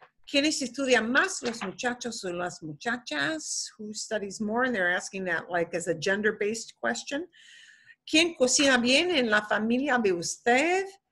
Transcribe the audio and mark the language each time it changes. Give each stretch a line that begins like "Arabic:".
Spanish: ¿Quiénes estudian más, los muchachos o las muchachas?
English: Who studies more? And they're asking that like as a gender-based question.
Spanish: ¿Quién cocina bien en la familia de usted?